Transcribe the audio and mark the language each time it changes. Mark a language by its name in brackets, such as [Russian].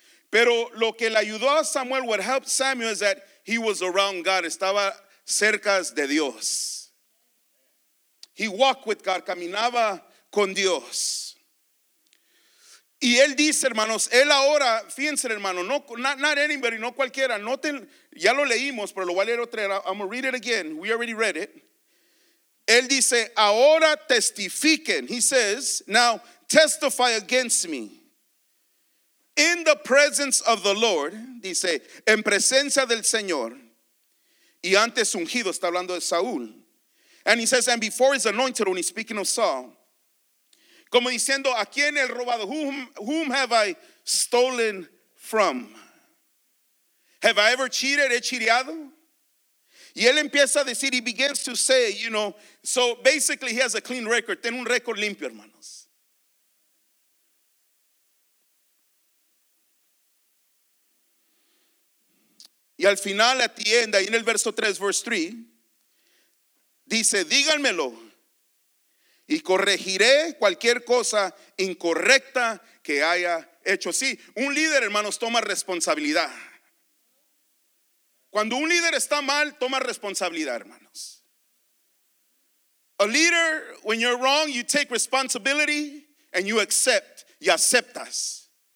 [Spanish] Pero lo que le ayudó a Samuel, [English] what helped Samuel, is that he was around God. [Spanish] Estaba cerca de Dios. [English] He walked with God, [Spanish] caminaba con Dios. Y él dice, hermanos, él ahora, fíjense, hermano, no cualquiera, noten, ya lo leímos, pero lo voy a leer otra vez. [English] I'm going to read it again. We already read it. [Spanish] Él dice, ahora testifiquen. [English] He says, now testify against me. In the presence of the Lord, [Spanish] dice, en presencia del Señor, y antes ungido, está hablando de Saúl. [English] And he says, and before his anointed, when he's speaking of Saul. [Spanish] Como diciendo, ¿a quién he robado? [English] Whom have I stolen from? Have I ever cheated? [Spanish] ¿He chiriado? Y él empieza a decir, [English] he begins to say, you know, so basically he has a clean record. [Spanish] Tiene un récord limpio, hermanos. Y al final, [English] at the end, [Spanish] ahí en el verso 3, [English] verse 3, [Spanish] Dice, díganmelo y corregiré cualquier cosa incorrecta que haya hecho. Sí, un líder, hermanos, toma responsabilidad. Cuando un líder está mal, toma responsabilidad, hermanos. [English] A leader, when you're wrong, you take responsibility and you accept, [Spanish] y aceptas.